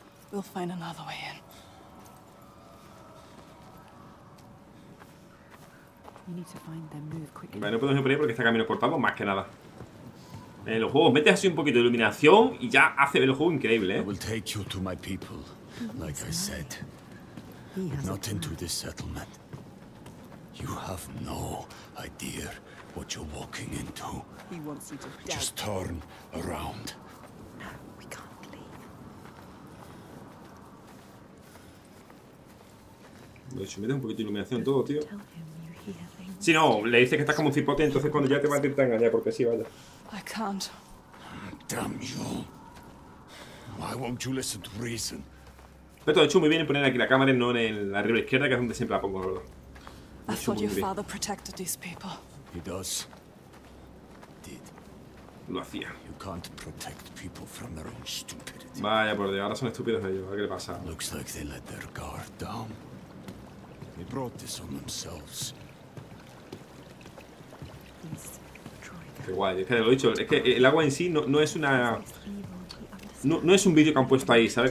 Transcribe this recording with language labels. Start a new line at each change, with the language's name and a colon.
English: We'll find another way in.
Spanish: Vale, no podemos ir por ahí porque está camino cortado, más que nada. En los juegos metes así un poquito de iluminación y ya hace ver el juego increíble, ¿eh?
English: I will take you to my people, like I said. Not into this settlement. You have no idea what you're walking into. He wants you to die. Just turn around.
Spanish: De hecho, mete un poquito de iluminación todo, tío. Si no, le dices que estás como un cipote, entonces cuando ya te va a intentar engañar, porque sí, vaya.
English: I can't. Damn you. Why won't you listen to reason?
Spanish: Pero de hecho, muy bien en poner aquí la cámara, no en la arriba izquierda, que es donde siempre la pongo, la verdad.
English: I thought your father protected these people. He does. Did.
Spanish: Lo hacía.
English: You can't protect people from their own stupidity.
Spanish: Vaya, por Dios, ahora son estúpidos ellos, a ver qué le pasa.
English: Looks like they let their guard down. They brought this on themselves.
Spanish: Qué guay, es que lo he dicho. Es que el agua en sí no es una. No es un vídeo que han puesto ahí, ¿sabes?